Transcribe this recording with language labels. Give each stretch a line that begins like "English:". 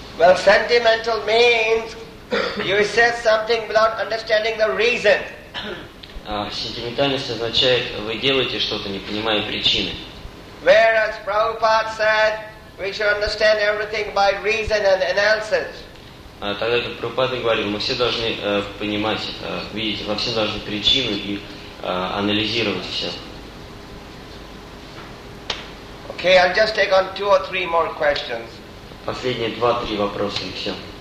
English: Well, sentimental means you said something without understanding the reason.
Russian: Сентиментальность означает, вы делаете что-то, не понимая причины.
English: Whereas Prabhupada said, we should understand everything by reason and analysis.
Russian: Тогда как Прабхупада говорил, мы все должны понимать, видеть во всем должны причины и анализировать все.
English: Okay, I'll just take on two or three more questions.
Russian: Последние 2-3 вопроса и все.